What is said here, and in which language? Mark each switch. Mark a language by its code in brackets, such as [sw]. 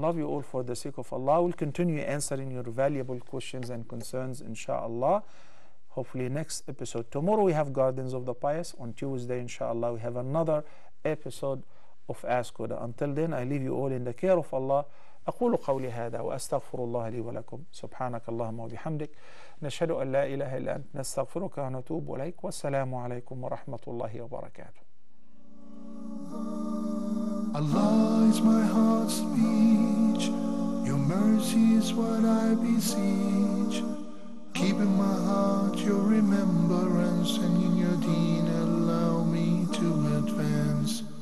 [en] Love you all for the sake of Allah. We'll continue answering your valuable questions and concerns, inshallah. Hopefully next episode. Tomorrow we have Gardens of the Pious. On Tuesday, inshallah, we have another episode of Ask Huda. Until then, I leave you all in the care of Allah. [ar] أقول قولي هذا وأستغفر الله لي ولكم. سبحانك اللهم وبحمدك. نشهد أن لا إله إلا أنت. نستغفرك ونتوب إليك. والسلام عليكم ورحمة الله وبركاته. [en] Allah is my heart's speech, your mercy is what I beseech. Keep in my heart your remembrance, and in your deen allow me to advance.